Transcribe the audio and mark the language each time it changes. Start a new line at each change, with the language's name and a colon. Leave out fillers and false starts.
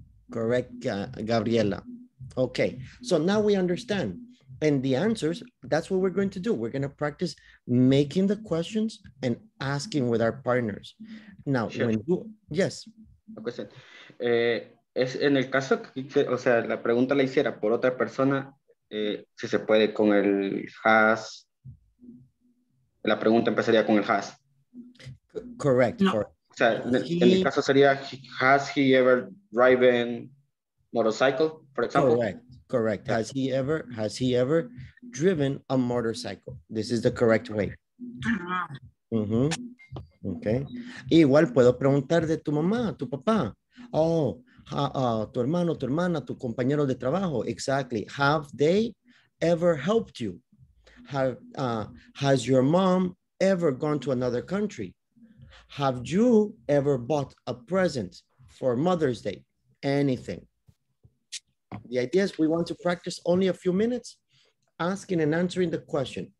English: Correct, Gabriela. Okay, so now we understand. And the answers, that's what we're going to do. We're going to practice making the questions and asking with our partners. Now, sure. When you, yes. A question.
Spanish: Es en el caso, que, o sea, la pregunta la hiciera por otra persona, si se puede con el has. La pregunta empezaría con el has.
English: Correct. No.
Spanish: O sea, en el caso sería,
English: has he ever driven motorcycle, for example? Correct. Correct. Yeah. Has he ever driven a motorcycle? This is the correct way. Mm-hmm. Okay.
Spanish: Igual puedo preguntar de tu mamá, tu papá. Oh, tu hermano, tu hermana, tu compañero de trabajo.
English: Exactly. Have they ever helped you? Has your mom ever gone to another country? Have you ever bought a present for Mother's Day? Anything. The idea is we want to practice only a few minutes asking and answering the question.